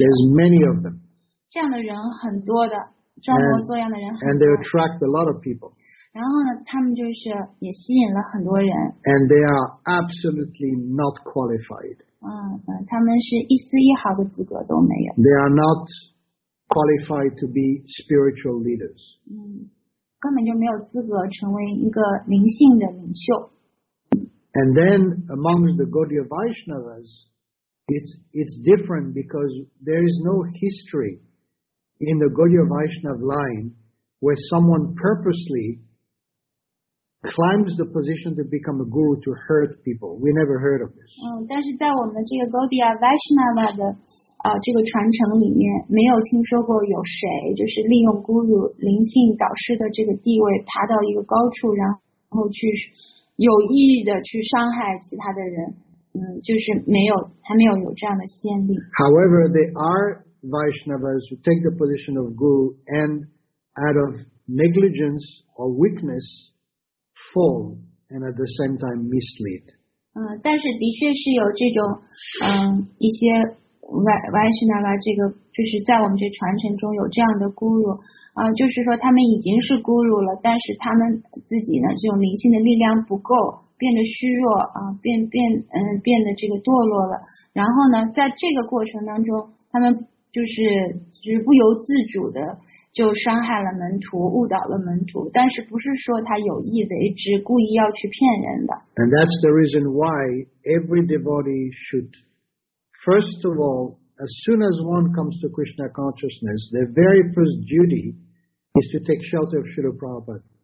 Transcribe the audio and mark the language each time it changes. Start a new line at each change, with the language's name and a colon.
English: There's many of them.
Chinese: 这样的人很多的，装模作样的人很多。
English: And they attract a lot of people.
Chinese: 然后呢，他们就是也吸引了很多人。
English: And they are absolutely not qualified.
Chinese: 他们是一丝一毫的资格都没有。
English: They are not qualified to be spiritual leaders.
Chinese: 根本就没有资格成为一个灵性的领袖。
English: And then amongst the Gaudiya Vaishnavas, it's different because there is no history in the Gaudiya Vaishnav line where someone purposely climbs the position to become a guru to hurt people. We never heard of this.
Chinese: 但是在我们这个 Gaudiya Vaishnava 的这个传承里面，没有听说过有谁就是利用 guru 灵性导师的这个地位爬到一个高处，然后去有意的去伤害其他的人。就是没有，还没有有这样的先例。
English: However, there are Vaishnavas who take the position of guru and out of negligence or weakness. Fall and at the same time mislead.
Chinese: 但是的确是有这种一些 Vaishnava 这个就是在我们这传承中有这样的 guru 就是说他们已经是 guru 了，但是他们自己呢这种灵性的力量不够，变得虚弱变得这个堕落了，然后呢在这个过程当中他们就是不由自主的就伤害了门徒，误导了门徒，但是不是说他有意为之，故意要去骗人的。
English: And that's the reason why every devotee should, first of all, as soon as one comes to Krishna consciousness, their very first duty is to take shelter of Śrīla Prabhupāda.